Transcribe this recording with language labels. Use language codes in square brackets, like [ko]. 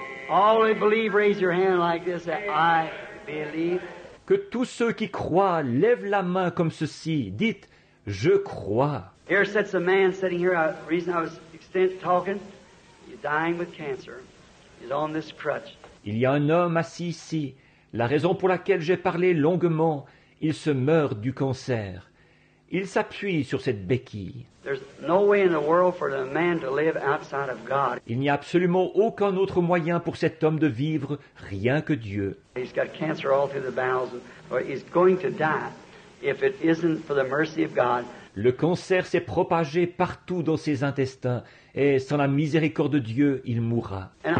[en] All who believe, raise your hand like this. I believe. [fr] Que tous ceux qui croient lèvent la main comme ceci. Dites, je crois. [en] Here sits a man sitting here. The reason I was extent talking. Dying with cancer, is on this crutch. [fr] Il y a un homme assis ici. La raison pour laquelle j'ai parlé longuement, il se meurt du cancer. Il s'appuie sur cette béquille. [en] There's no way in the world for a man to live outside of God. [fr] Il n'y a absolument aucun autre moyen pour cet homme de vivre rien que Dieu. [en] He's got cancer all through the bowels, or he's going to die if it isn't for the mercy of God. [fr] Le cancer s'est propagé partout dans ses intestins et sans la miséricorde de Dieu, il mourra.